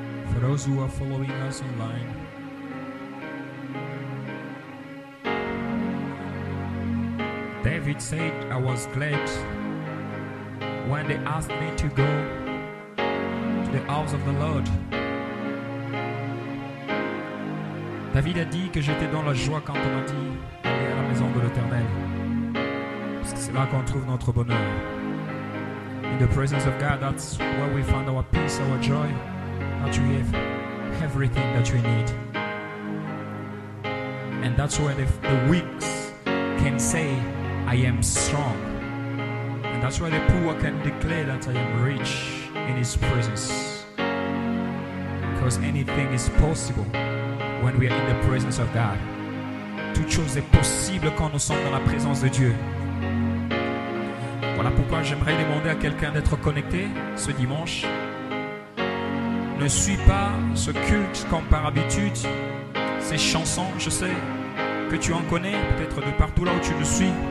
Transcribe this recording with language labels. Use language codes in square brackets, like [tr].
[en] For those who are following us online, David said, I was glad when they asked me to go to the house of the Lord. [fr] David a dit que j'étais dans la joie quand on m'a dit d'aller à la maison de l'Éternel. Parce que c'est là qu'on trouve notre bonheur. [en] In the presence of God, that's where we find our peace, our joy, that you have everything that we need. And that's where the weak can say, I am strong. And that's where the poor can declare that I am rich in His presence. Because anything is possible when we are in the presence of God. [fr] Toute chose est possible quand nous sommes dans la présence de Dieu. Voilà pourquoi j'aimerais demander à quelqu'un d'être connecté ce dimanche. Ne suis pas ce culte comme par habitude. Ces chansons, je sais que tu en connais, peut-être de partout là où tu nous suis.